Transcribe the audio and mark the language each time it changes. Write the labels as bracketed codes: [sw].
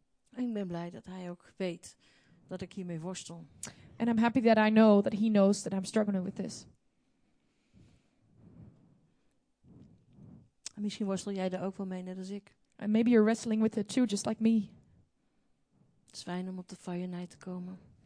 [nl] En ik ben blij dat hij ook weet dat ik hiermee worstel. [en] And I'm happy that I know that he knows that I'm struggling with this. [nl] En misschien worstel jij er ook wel mee, net als ik. [en] And maybe you're wrestling with it too, just like me. [nl] Het is fijn om op de fire night te komen.